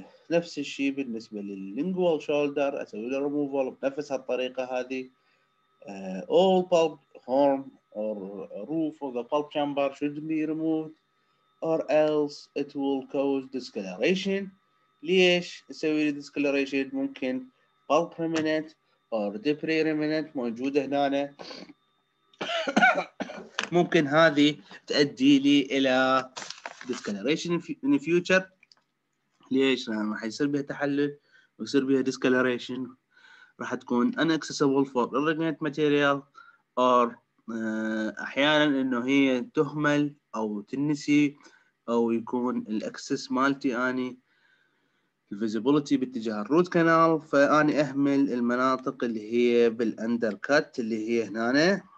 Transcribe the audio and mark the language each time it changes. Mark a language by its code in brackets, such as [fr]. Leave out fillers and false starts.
[ar] نفس الشيء بالنسبة للlingual shoulder، أسوي له removal بنفس الطريقة هذه. [en] All pulp horn or roof of the pulp chamber should be removed or else it will cause discoloration. [ar] ليش أسوي له discoloration؟ ممكن [en] pulp remnant or debris remnant [ar] موجودة هنا أنا. ممكن هذه تؤدي لي إلى [en] discoloration in the future. [ar] ليش؟ لأن راح يصير بها تحلل ويصير بها discoloration، راح تكون [en] unaccessible for irrigant material or [ar] أحياناً إنه هي تهمل أو تنسي أو يكون الأكسس مالتي آني visibility باتجاه root canal، فأني أهمل المناطق اللي هي بالأندركات اللي هي هنا أنا.